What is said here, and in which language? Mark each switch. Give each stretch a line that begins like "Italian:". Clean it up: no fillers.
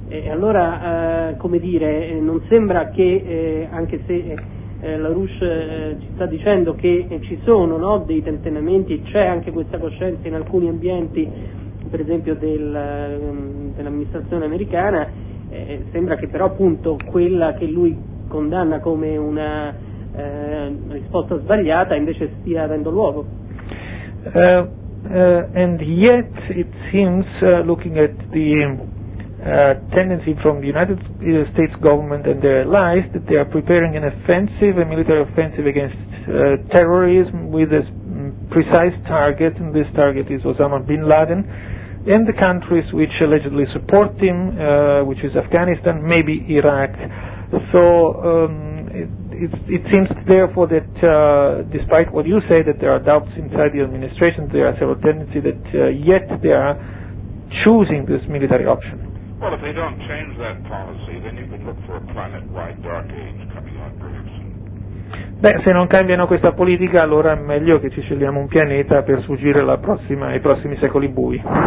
Italian: Allora, come dire, non sembra che, anche se LaRouche ci sta dicendo che ci sono, no, dei tentennamenti, c'è anche questa coscienza in alcuni ambienti, per esempio dell'amministrazione americana, sembra che però appunto quella che lui condanna come una risposta sbagliata invece stia avendo luogo.
English: And yet it seems, looking at the tendency from the United States government and their allies, that they are preparing an offensive, a military offensive against terrorism with a precise target, and this target is Osama bin Laden, and the countries which allegedly support him, which is Afghanistan, maybe Iraq. So it seems, therefore, that despite what you say, that there are doubts inside the administration, there are several tendencies that yet they are choosing this military option. Well, if they don't change that policy, then you can look for a planet-wide dark age coming on perhaps.
Italian: Beh, se non cambiano questa politica, allora è meglio che ci scegliamo un pianeta per sfuggire alla prossima, ai prossimi secoli bui.